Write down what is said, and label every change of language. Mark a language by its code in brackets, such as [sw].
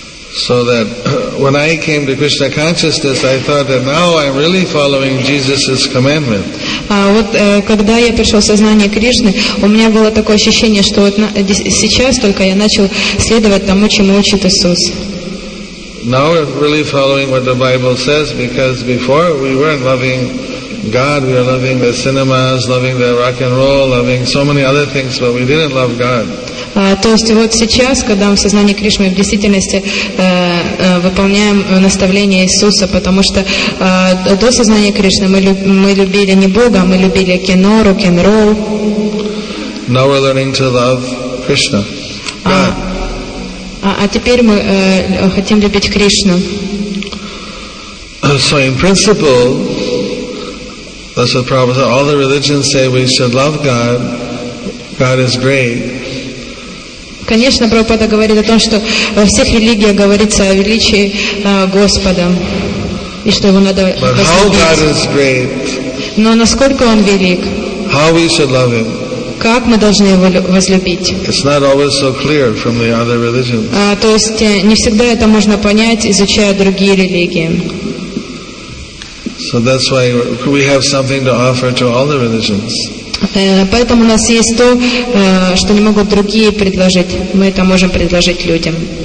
[en] So that when I came to Krishna consciousness, I thought that now I'm really following Jesus's commandment. [ru] Вот когда я пришел в сознание Кришны, у меня было такое ощущение, что вот сейчас только я начал следовать тому, чему учит Иисус. [en] Now we're really following what the Bible says, because before we weren't loving God, we were loving the cinemas, loving the rock and roll, loving so many other things, but we didn't love God. [ru] То есть вот сейчас, когда мы в сознании Кришны в действительности выполняем наставление Иисуса, потому что до сознания Кришны мы любили не Бога, мы любили кино, рок-н-ролл. [en] Now we're learning to love Krishna. [ru] А теперь мы хотим любить Кришну. [en] So in principle, that's what Prabhupada said. All the religions say we should love God. God is great. [ru] Конечно, Прабхупада говорит о том, что во всех религиях говорится о величии Господа, и что Его надо возлюбить. но насколько Он велик, [en] how we should love Him. [ru] Как мы должны Его возлюбить. [en] It's not always so clear from the other religions. [ru] То есть не всегда это можно понять, изучая другие религии. [en] So that's why we have something to offer to all the religions. [ru] Поэтому у нас есть то, что не могут другие предложить. Мы это можем предложить людям.